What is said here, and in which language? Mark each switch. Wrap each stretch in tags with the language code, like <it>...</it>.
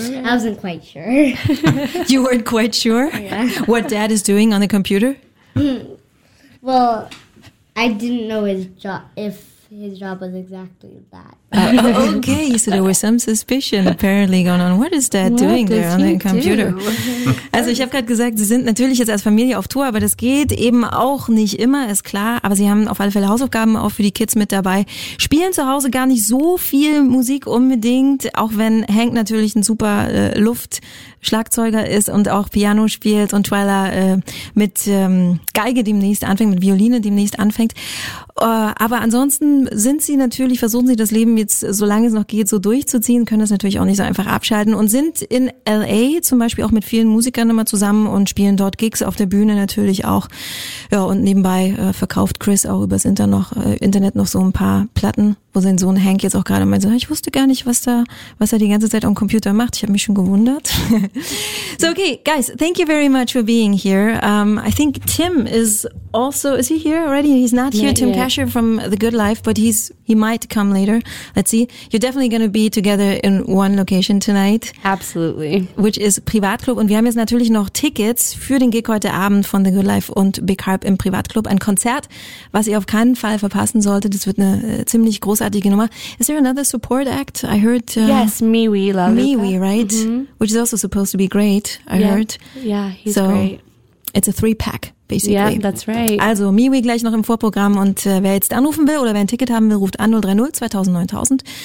<en>Right. I wasn't quite sure. You weren't quite sure. Yeah. What Dad is doing on the computer? Well, I didn't know his job. If his job was exactly that. Okay, so there was some suspicion apparently going on. What is Dad what doing there on the computer? Do?</en> <de>Also, ich habe gerade gesagt, Sie sind natürlich jetzt als Familie auf Tour, aber das geht eben auch nicht immer, ist klar. Aber Sie haben auf alle Fälle Hausaufgaben auch für die Kids mit dabei. Spielen zu Hause gar nicht so viel Musik unbedingt, auch wenn Hank natürlich ein super Luftschlagzeuger ist und auch Piano spielt und Twyla mit Geige demnächst anfängt, mit Violine demnächst anfängt. Aber ansonsten sind Sie natürlich, versuchen Sie das Leben jetzt, solange es noch geht, so durchzuziehen, können das natürlich auch nicht so einfach abschalten und sind in L.A. zum Beispiel auch mit vielen Musikern immer zusammen und spielen dort Gigs auf der Bühne natürlich auch. Ja, und nebenbei verkauft Chris auch übers Internet noch so ein paar Platten, wo sein Sohn Hank jetzt auch gerade mal so, ich wusste gar nicht, was er die ganze Zeit am Computer macht. Ich habe mich schon gewundert.</de> <en>So, okay, guys, thank you very much for being here. I think Tim is also, is he here already? He's not here. Not Tim yet. Kasher from The Good Life, but he might come later. Let's see. You're definitely going to be together in one location tonight. Absolutely. Which is Privatclub.</en> <de>Und wir haben jetzt natürlich noch Tickets für den Gig heute Abend von The Good Life und Big Harp im Privatclub. Ein Konzert, was ihr auf keinen Fall verpassen solltet. Das wird eine ziemlich großartige Nummer.</de> <en>Is there another support act? I heard... yes, Miwi, La Lupa. Miwi, right? Mm-hmm. Which is also supposed to be great, I heard. Yeah, he's so great. It's a three-pack. Basically. Yeah, that's right.</en> <de>Also, Miwi gleich noch im Vorprogramm und wer jetzt anrufen will oder wer ein Ticket haben will, ruft an 030-2000-9000.</de>